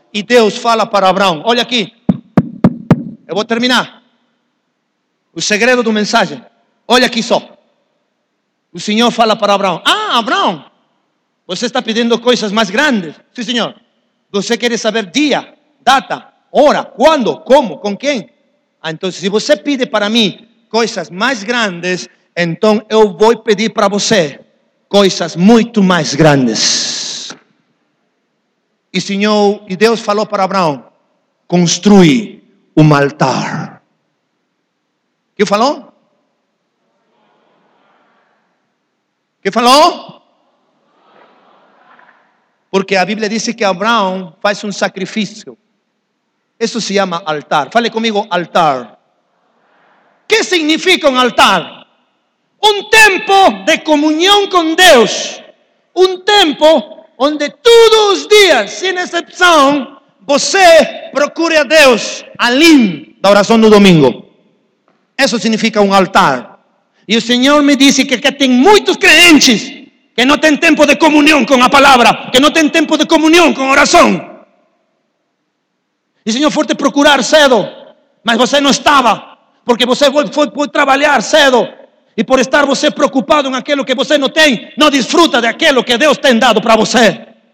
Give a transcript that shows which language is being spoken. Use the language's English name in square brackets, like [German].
[Spanish] Y Dios fala para Abraham, olha aquí, yo voy a terminar, el segredo del mensaje, olha aquí só, el Señor fala para Abraham, ah, Abraham, usted está pidiendo cosas más grandes, sí, Señor, usted quiere saber día, data, ora, [Portuguese] quando, como, com quem? Ah, então, se você pide para mim coisas mais grandes, então eu vou pedir para você coisas muito mais grandes. E Senhor, e Deus falou para Abraão, construí um altar. Que falou? Que falou? Porque a Bíblia diz que Abraão faz um sacrifício. [Spanish] Eso se llama altar. Fale conmigo, altar. ¿Qué significa un altar? Un tiempo de comunión con Dios. Un tiempo donde todos los días, sin excepción, você procure a Dios allí, la oración del domingo. Eso significa un altar. Y el Señor me dice que aquí hay muchos creyentes que no tienen tiempo de comunión con la palabra, que no tienen tiempo de comunión con oración. Y Señor, fuiste a procurar cedo, mas você no estaba, porque você fue a trabajar cedo, y por estar você preocupado en aquello que você no tiene, no disfruta de aquello que Dios te ha dado para você.